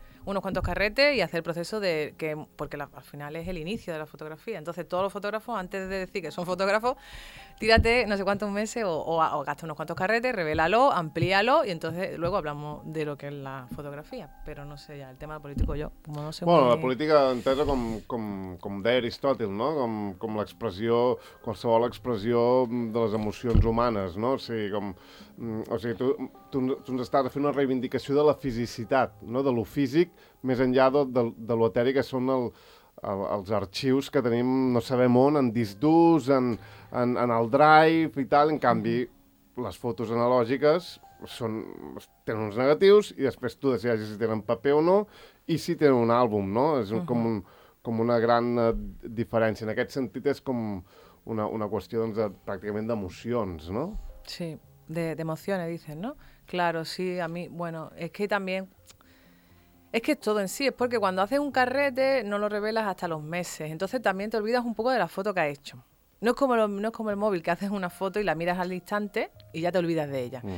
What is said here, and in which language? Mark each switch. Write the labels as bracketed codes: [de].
[es] unos cuantos carretes y hacer el proceso de que, porque la, al final es el inicio de la fotografía. Entonces, todos los fotógrafos, antes de decir que son fotógrafos, tírate no sé cuántos meses o gasta unos cuantos carretes, revélalo, amplíalo y entonces luego hablamos de lo que es la fotografía. Pero no sé, ya el tema político, yo como no sé. [ca] Bueno, la política, entesa com deia Aristòtil, no? Com l'expressió, qualsevol expressió de les emocions humanes, no? O sigui, tu ens estàs fent una reivindicació de la fisicitat, no? De lo físic, més enllà de lo eteri, que són els arxius que tenim, no sabem on, en disc durs, en el drive i tal. En canvi, les fotos analògiques tenen uns negatius i després tu decideixes si tenen paper o no i si tenen un àlbum, no? És com una gran diferència. En aquest sentit és com una qüestió, doncs, pràcticament d'emocions, no? [es] Sí, de emociones, dices, ¿no? Claro, sí, a mí, bueno, es que también... Es que es todo en sí, es porque cuando haces un carrete no lo revelas hasta los meses, entonces también te olvidas un poco de la foto que has hecho. No es como el móvil, que haces una foto y la miras al instante y ya te olvidas de ella.